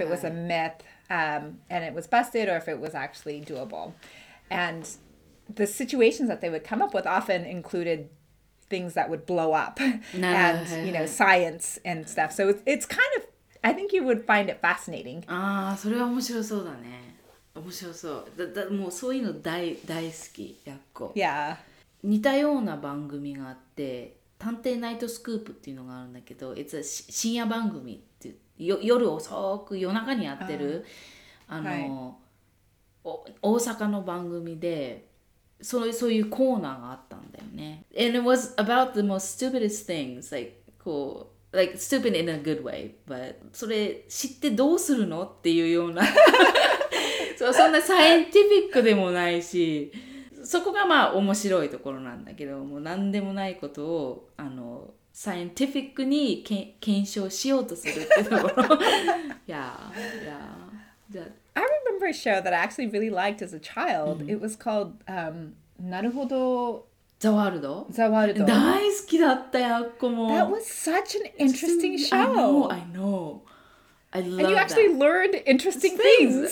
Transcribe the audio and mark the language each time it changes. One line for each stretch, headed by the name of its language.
English: it was a myth. And it was busted or if it was actually doable. And the situations that they would come up with often included things that would blow up and you know science and stuff. So it's kind of I think you would find it fascinating.
Japanese: Ah, それは面白そうだね。面白そう。だもうそういうの大好き、やっこ。
English: Yeah.
Japanese: 似たような番組があって、探偵ナイトスクープっていうのがあるんだけど、
English: It's a
Japanese: 深夜番組って夜遅く夜中にやってる、大阪の番組で、そういうコーナーがあったんだよね。
English: And it was about the most stupidest things, like stupid in a good way, but
Japanese: それ知ってどうするのっていうような そう、そんなサイエンティフィックでもないし、そこがまあ面白いところなんだけど、もう何でもないことをサイエンティフィックに検証しようとするってところ。
English: Yeah. I remember a show that I actually really liked as a child.、Mm-hmm. It was called,
Japanese: なるほど。ザワールド？ザワールド。大好きだったよ、子も。
English: That was such an interesting show. I know. I love that. And you actually learned interesting things.